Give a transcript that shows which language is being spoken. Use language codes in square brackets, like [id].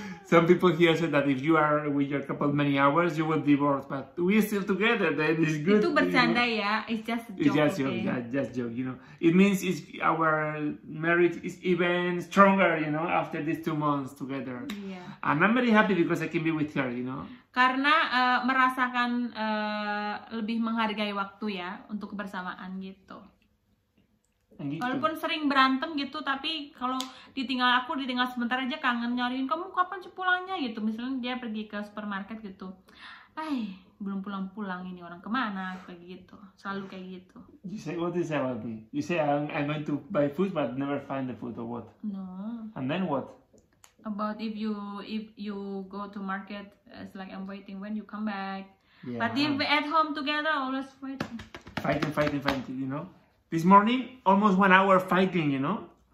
[en] Some people here said that if you are with your couple many hours, you will divorce. But we are still together, then it's good. [id] Itu bercanda, [en] you know? Ya. It's just a joke. It's just a joke. Yeah, just joke. You know, it means it's our marriage is even stronger. You know, after these 2 months together. Yeah. And I'm very happy because I can be with her. You know. [id] Karena merasakan lebih menghargai waktu ya untuk kebersamaan gitu. gitu. Walaupun sering berantem gitu, tapi kalau ditinggal aku, ditinggal sebentar aja kangen, nyariin kamu kapan pulangnya gitu. Misalnya dia pergi ke supermarket gitu, eh belum pulang-pulang ini orang kemana, kayak gitu, selalu kayak gitu. [en] You say what is that about me? You say I'm going to buy food but never find the food or what? No. And then what? About if you go to market, it's like I'm waiting when you come back. Yeah. But if at home together, always fighting, you know? This morning, almost 1 hour fighting, you know?